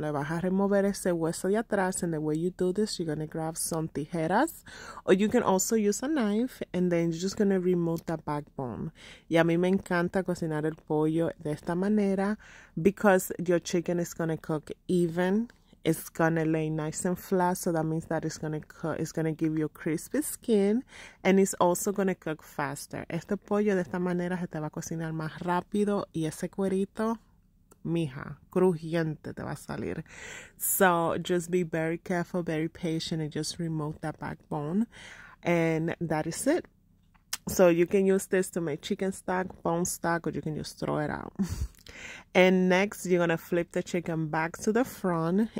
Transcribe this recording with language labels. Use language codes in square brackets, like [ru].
[es] Le vas a remover ese hueso de atrás, [en] and the way you do this, you're going to grab some tijeras or you can also use a knife, and then you're just going to remove that backbone. [es] Y a mí me encanta cocinar el pollo de esta manera [en] because your chicken is going to cook even. It's going to lay nice and flat, so that means that it's going to cook, it's going to give you crispy skin, and it's also going to cook faster. [es] Este pollo de esta manera se te va a cocinar más rápido, y ese cuerito, mija, crujiente te va a salir. [en] So just be very careful, very patient, and just remove that backbone, and that is it. So you can use this to make chicken stock, bone stock, or you can just throw it out. And next, you're going to flip the chicken back to the front.